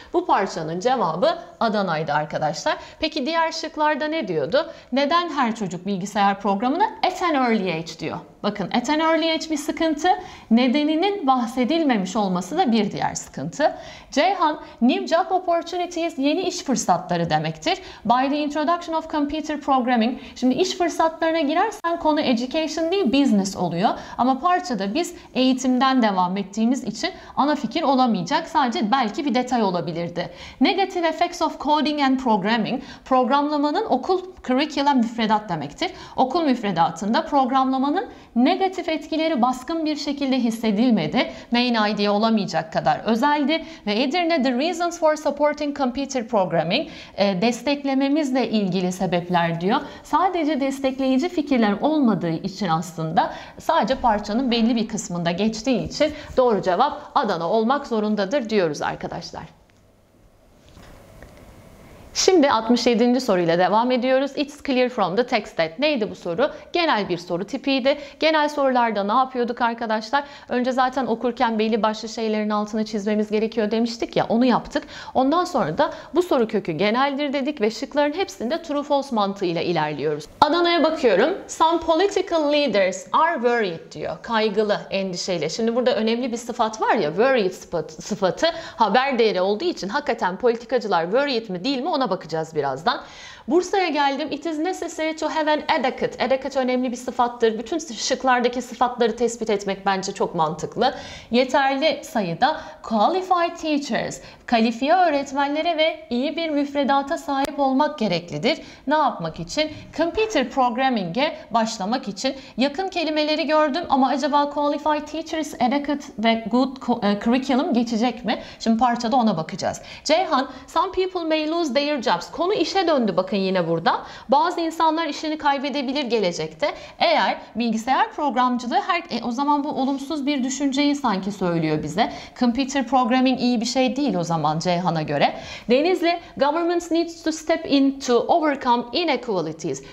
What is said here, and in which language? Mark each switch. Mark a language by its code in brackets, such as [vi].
[tr] Bu parçanın cevabı Adana'ydı arkadaşlar. Peki diğer şıklarda ne diyordu? Neden her çocuk bilgisayar programını [en] at an early age [tr] diyor? Bakın [en] at an early age [tr] bir sıkıntı. Nedeninin bahsedilmemiş olması da bir diğer sıkıntı. Ceyhan, [en] new job opportunities [tr] yeni iş fırsatları demektir. [en] By the introduction of computer programming. [tr] Şimdi iş fırsatlarına girersen konu education değil business oluyor. Ama parçada biz eğitimden devam ettiğimiz için ana fikir olamayacak. Sadece belki bir detay olabilirdi. [en] Negative effects of coding and programming. [tr] Programlamanın okul curriculum müfredat demektir. Okul müfredatında programlamanın negatif etkileri baskın bir şekilde hissedilmedi. Main idea olamayacak kadar özeldi. Ve Edirne, [en] the reasons for supporting computer programming, [tr] desteklememizle ilgili sebepler diyor. Sadece destekleyici fikirler olmadığı için aslında sadece parçanın belli bir kısmında geçtiği için doğru cevap Adana olmak zorundadır diyoruz arkadaşlar. Şimdi 67. soruyla devam ediyoruz. [en] It's clear from the text that. [tr] Neydi bu soru? Genel bir soru tipiydi. Genel sorularda ne yapıyorduk arkadaşlar? Önce zaten okurken belli başlı şeylerin altını çizmemiz gerekiyor demiştik ya, onu yaptık. Ondan sonra da bu soru kökü geneldir dedik ve şıkların hepsinde true false mantığıyla ilerliyoruz. Adana'ya bakıyorum. [en] Some political leaders are worried [tr] diyor. Kaygılı, endişeyle. Şimdi burada önemli bir sıfat var ya, worried sıfatı haber değeri olduğu için hakikaten politikacılar worried mi değil mi ona bakacağız birazdan. Bursa'ya geldim. [en] It is necessary to have an adequate. [tr] Adequate önemli bir sıfattır. Bütün şıklardaki sıfatları tespit etmek bence çok mantıklı. Yeterli sayıda [en] qualified teachers. [tr] Kalifiye öğretmenlere ve iyi bir müfredata sahip olmak gereklidir. Ne yapmak için? [en] Computer programming'e [tr] başlamak için. Yakın kelimeleri gördüm ama acaba [en] qualified teachers, [tr] adequate ve [en] good curriculum [tr] geçecek mi? Şimdi parçada ona bakacağız. [en] Ceyhan, some people may lose their jobs. [tr] Konu işe döndü bakın yine burada. Bazı insanlar işini kaybedebilir gelecekte. Eğer bilgisayar programcılığı o zaman bu olumsuz bir düşünceyi sanki söylüyor bize. Computer programming iyi bir şey değil o zaman Ceyhan'a göre. [en] Denizli, governments needs to step in to overcome inequalities.